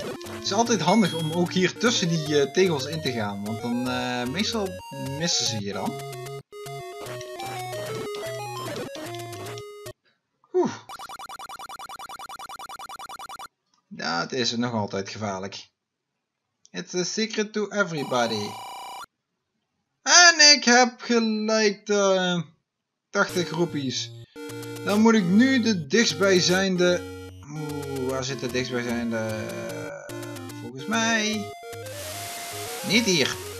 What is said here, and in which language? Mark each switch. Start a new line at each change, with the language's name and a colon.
Dutch: Het is altijd handig om ook hier tussen die tegels in te gaan. Want dan meestal missen ze je dan. Dat is nog altijd gevaarlijk.
English: It's a secret to everybody.
Dutch: En ik heb gelijk de 80 roepies. Dan moet ik nu de dichtstbijzijnde... Oeh, waar zit de dichtstbijzijnde? Volgens mij... Niet hier.